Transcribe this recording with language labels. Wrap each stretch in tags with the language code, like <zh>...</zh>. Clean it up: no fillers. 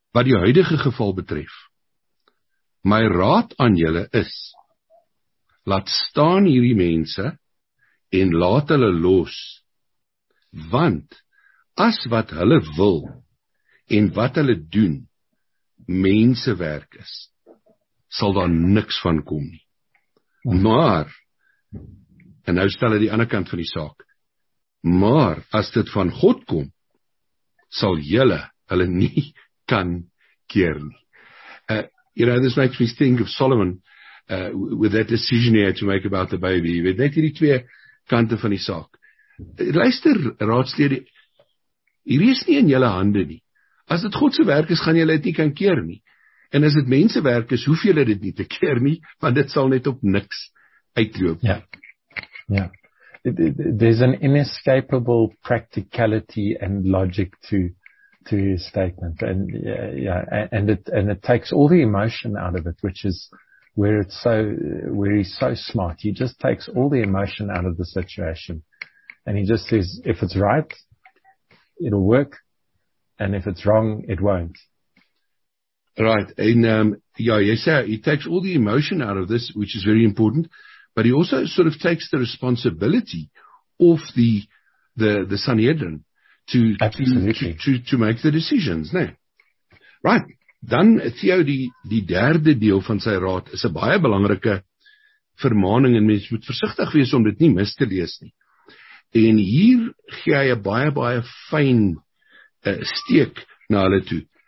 <af>Wat die huidige geval betref, my raad aan julle is, laat staan hierdie mense en laat hulle los, want as wat hulle wil en wat hulle doen, mensewerk is, sal daar niks van kom nie. Maar, en nou stel hy die ander kant van die saak, maar as dit van God kom, sal julle hulle nie kan keer nie.</af> <en>You know, this makes me think of Solomon with that decision he had to make about the baby.</en> <af>Jy weet, net hierdie twee kante van die saak. Luister, raadslede, hier is nie in julle hande nie. As dit God se werk is, gaan julle dit nie kan keer nie. En as dit mense werk is, hoef julle dit nie te keer nie, want dit sal net op niks uitloop. Ja. Ja.</af> <en>There's an inescapable practicality and logic to his statement, and it takes all the emotion out of it, which is where he's so smart. He just takes all the emotion out of the situation, and he just says, if it's right, it'll work, and if it's wrong, it won't. Right, and he takes all the emotion out of this, which is very important. But he also sort of takes the responsibility of the Sanhedrin to make the decisions, né? Right.</en> <af>Dan Theo die derde deel van sy raad is 'n baie belangrike vermaning, en mens moet versigtig wees om dit nie mis te lees nie. En hier gee hy 'n baie baie fyn steek na hulle toe.</af>